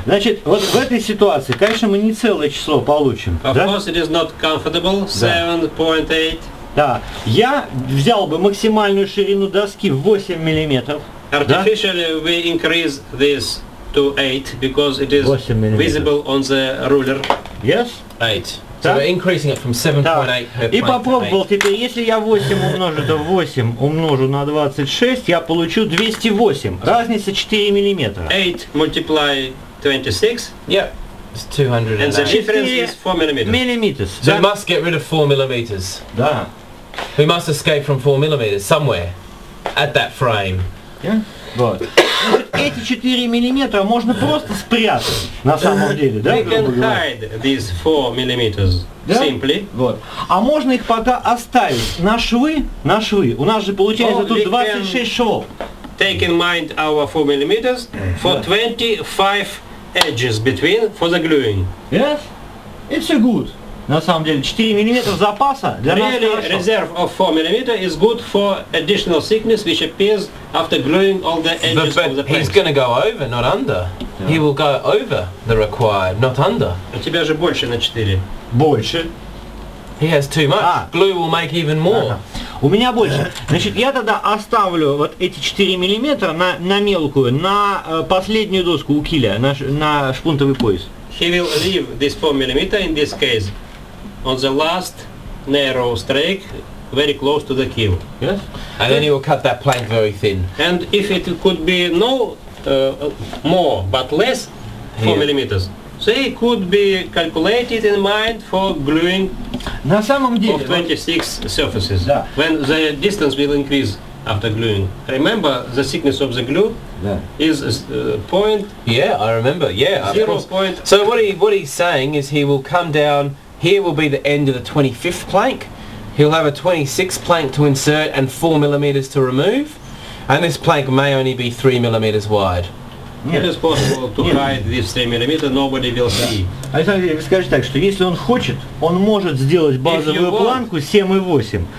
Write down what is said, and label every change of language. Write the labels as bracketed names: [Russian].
[Russian] Значит, вот в этой ситуации, конечно, мы не целое число получим. [English] Of course, it is not comfortable. 7.8. [Russian] Да. Я взял бы максимальную ширину доски в 8 миллиметров. [English] Artificially, [Russian] да? [English] We increase this to 8, because it is visible on the ruler. Yes? 8. So we're increasing it from 7.8 per plank. [Russian] И попробовал теперь, если я 8 умножу, то 8 умножу на 26, я получу 208. Разница 4 миллиметра. [English] 8 multiply 26. Yep. It's 200. And the difference is 4 millimeters. Millimeters. So we must get rid of 4 millimeters. [Russian] Да. [English] We must escape from 4 millimeters somewhere at that frame. Yeah? [Russian] Вот. Эти 4 миллиметра можно просто спрятать, на самом деле, да? [English] We can hide these 4 millimeters, [Russian] да? [English] Simply. [Russian] Вот. А можно их пока оставить на швы, на швы. У нас же получается тут 26 швов. [English] Take in mind our 4 millimeters for 25 edges between for the gluing. Yes? It's a good. [Russian] На самом деле, 4 миллиметра запаса для [English] really [Russian] нас хорошо. [English] Really, reserve of 4 millimeter is good for additional thickness, which appears after gluing all the edges of the plank. But he's going to go over, not under. Yeah. He will go over the required, not under. [Russian] У тебя же больше на 4. Больше. [English] He has too much. Glue will make even more. [Russian] У меня больше. Значит, я тогда оставлю вот эти 4 миллиметра на мелкую, на последнюю доску у киля, на шпунтовый пояс. [English] He will leave this 4 millimeter in this case on the last narrow strake, very close to the keel. Yes. And then he will cut that plank very thin. And if it could be no more but less 4 millimeters, so it could be calculated in mind for gluing [Russian] на самом деле, [English] of 26 surfaces. [Russian] Да. [English] When the distance will increase after gluing. Remember the thickness of the glue. Yeah. Is point. Yeah, I remember. Yeah, zero point. So what he's saying is he will come down. Here will be the end of the 25th plank. He'll have a 26th plank to insert and 4 millimeters to remove. And this plank may only be 3 millimeters wide. Yes. It is possible to hide this 3 millimeter. Nobody will see. [Russian] Александр, скажи так, что если он хочет, он может сделать базовую планку 7.8.